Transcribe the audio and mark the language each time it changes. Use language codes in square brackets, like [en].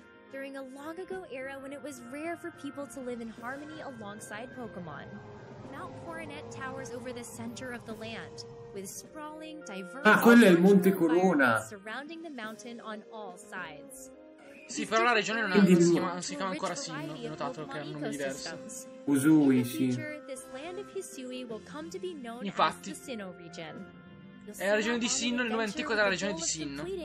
[en] During a long ago era when it was rare for people to live in harmony alongside Pokemon, Mount Coronet towers over the center of the land, with sprawling, diverse. [it] Ah, quello è il Monte Corona. [en] Surrounding the mountain on all sides. [it] Sì, però la regione non, si chiama ancora Sinnoh. Ho notato che è un nome diverso. [en] Usui, sì. This land of Hisui will come to be known as the Sinnoh region. [it] È la regione di Sinnoh, il nome antico della regione di Sinnoh.